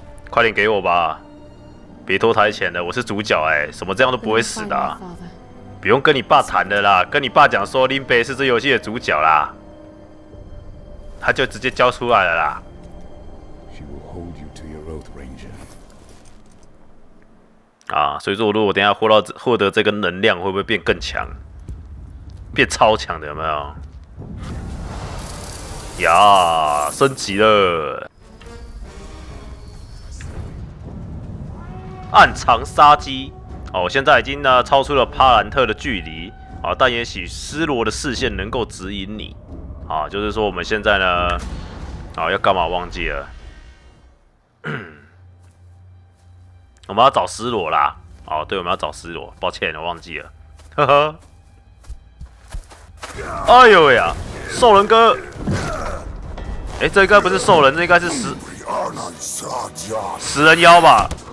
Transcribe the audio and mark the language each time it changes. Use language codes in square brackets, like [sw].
[zh] 快点给我吧，别拖台前了，我是主角哎、欸，什么这样都不会死的、啊，不用跟你爸谈的啦，跟你爸讲说林北是这游戏的主角啦，他就直接交出来了啦。 [en] She will hold you to your oath, Ranger. [zh] 啊，所以说如果等一下获得这个能量，会不会变更强，变超强的有没有？呀，升级了。暗藏杀机哦，现在已经呢超出了帕兰特的距离啊，但也许斯罗的视线能够指引你啊，就是说我们现在呢啊要干嘛忘记了，我们要找斯罗啦，哦、啊、对，我们要找斯罗，抱歉我忘记了，呵呵，哎呦呀，兽人哥，哎、欸、这应该不是兽人，这应该是死人妖吧。